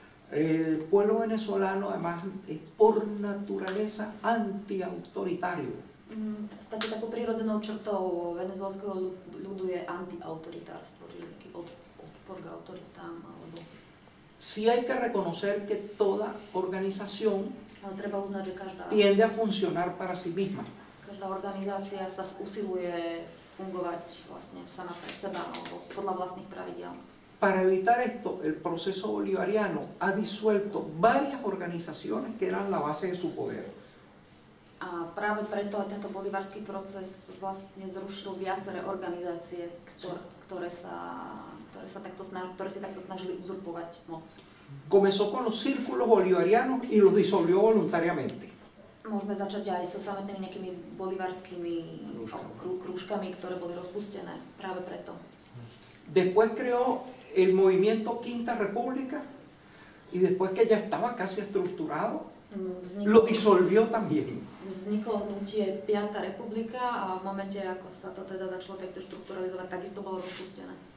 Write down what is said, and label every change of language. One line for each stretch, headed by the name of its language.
Spanish: El pueblo venezolano, además, es por naturaleza antiautoritario.
Slovak: Takou takú prirodzenou črtou venezuelského ľudu je antiautoritárstvo, čiže taký odpor k autoritám alebo...
Spanish: Sí hay que reconocer que toda organización
Slovak: treba uznať, že každá...
Spanish: tiende a funcionar para sí misma.
Slovak: Každá organizácia sa usiluje fungovať vlastne sama pre seba alebo podľa vlastných pravidel.
Spanish: Para evitar esto, el proceso bolivariano ha disuelto varias organizaciones que eran la base de su poder.
Slovak: A práve preto tento bolivarský proces vlastne zrušil viaceré organizácie, ktoré sa takto snažili uzurpovať moc.
Spanish: Comenzó con los círculos bolivarianos y los disolvió voluntariamente.
Slovak: Môžeme začať aj so samotnými nejakými bolivarskými krúžkami, ktoré boli rozpustené práve preto.
Spanish: Después creó el movimiento Quinta República y después que ya estaba casi estructurado, lo disolvió también.
Slovak: Vzniklo hnutie Piata Republika a v momente, ako sa to teda začalo takto štrukturalizovať, takisto bolo rozpustené.